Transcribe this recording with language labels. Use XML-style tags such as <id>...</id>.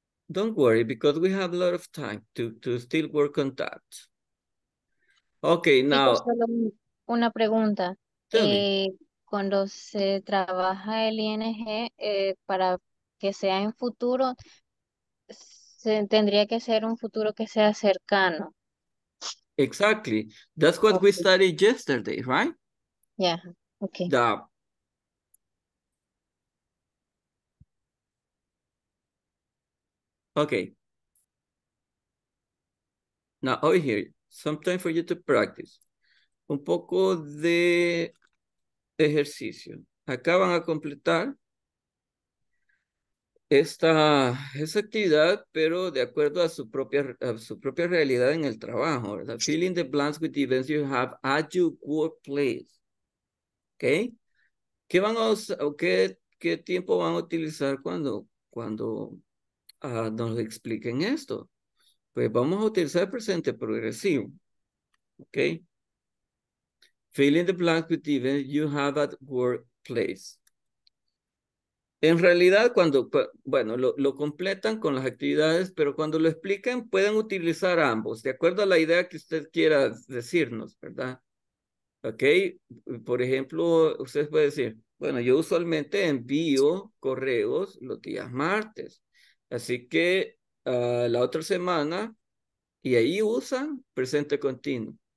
<en>Don't worry, because we have a lot of time to still work on that. Okay, now.</en> <es>Solo una pregunta.</es> <en>Tell me.</en> <es>Cuando se trabaja el ING, para que sea en futuro, tendría que ser un futuro que sea cercano.</es> <en>Exactly. That's what we studied yesterday, right? Yeah. Okay. Okay. Now, over here, some time for you to practice.</en> <es>Un poco de ejercicio. Acá van a completar esta actividad, pero de acuerdo a su propia realidad en el trabajo, ¿verdad?</es> <en>Filling the blanks with the events you have at your workplace. ¿Okay?</en> <es>¿Qué ¿qué tiempo van a utilizar cuando, nos expliquen esto? Pues vamos a utilizar el presente progresivo. Ok.</es> <en>Fill in the blank with the event you have at workplace.</en> <es>En realidad, cuando, bueno, lo completan con las actividades, pero cuando lo expliquen, pueden utilizar ambos, de acuerdo a la idea que usted quiera decirnos, ¿verdad? Ok, por ejemplo, usted puede decir, bueno, yo usualmente envío correos los días martes, así que la otra semana, y ahí usan presente continuo.</es>